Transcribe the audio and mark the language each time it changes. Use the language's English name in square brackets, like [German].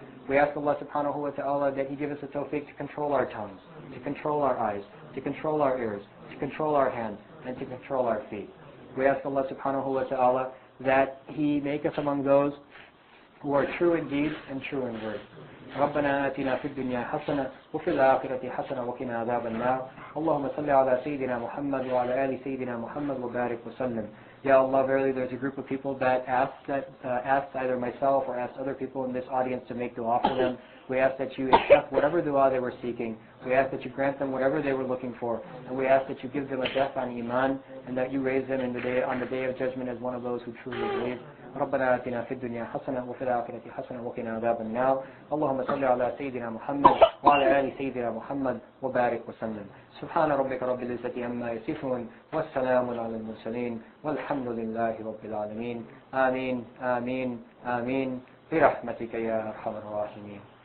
[English] We ask Allah subhanahu wa ta'ala that he give us the tawfiq to control our tongues, to control our eyes, to control our ears, to control our hands, and to control our feet. We ask Allah subhanahu wa ta'ala that he make us among those who are true in deeds and true in words. [Arabic] ربنا آتنا في الدنيا حسنة وفي الآخرة حسنة وقنا عذاب النار اللهم صل على سيدنا محمد وعلى آل سيدنا محمد وبارك وسلم. [English] Ya Allah, verily there's a group of people that asks either myself or asks other people in this audience to make dua for them. We ask that you accept whatever dua they were seeking. We ask that you grant them whatever they were looking for. And we ask that you give them a death on iman, and that you raise them on the day of judgment as one of those who truly believe. [Arabic] ربنا آتنا في الدنيا حسنة وفي الآخرة حسنة وقنا عذاب النار اللهم صل على سيدنا محمد وعلى آل سيدنا محمد وبارك وسلم سبحان ربك رب العزة عما يصفون والسلام على المرسلين والحمد لله رب العالمين آمين آمين آمين برحمتك يا أرحم الراحمين